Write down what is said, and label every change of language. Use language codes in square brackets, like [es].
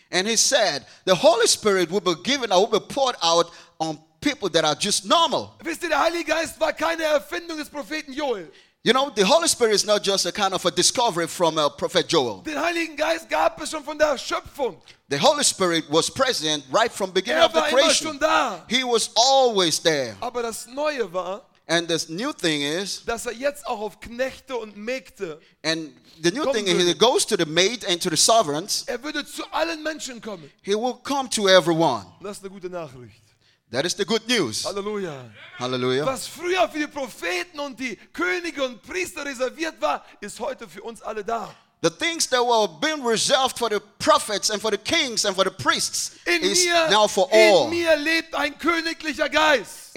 [en] And he said, the Holy Spirit will be given, will be poured out on people that are just normal. [de] Wisst ihr, der Heilige Geist war keine Erfindung des Propheten Joel. [en] You know, the Holy Spirit is not just a kind of a discovery from a prophet Joel. [de] Den Heiligen Geist gab es schon von der Schöpfung. [en] The Holy Spirit was present right from beginning of the creation. He was always there. [de] Aber das Neue war, [en] and this new thing is, [de] dass er jetzt auch auf Knechte und Mägde, [en] and the new thing is, he goes to the maid and to the sovereigns. [de] Er würde zu allen Menschen kommen. [en] He will come to everyone. [de] Das ist eine gute Nachricht. [en] That is the good news. Hallelujah. Hallelujah. [de] Was früher für die Propheten und die Könige und Priester reserviert war, ist heute für uns alle da. [en] The things that were being reserved for the prophets and for the kings and for the priests [de] in [en] is [de] mir, [en] now for all. [de] In mir lebt ein königlicher Geist.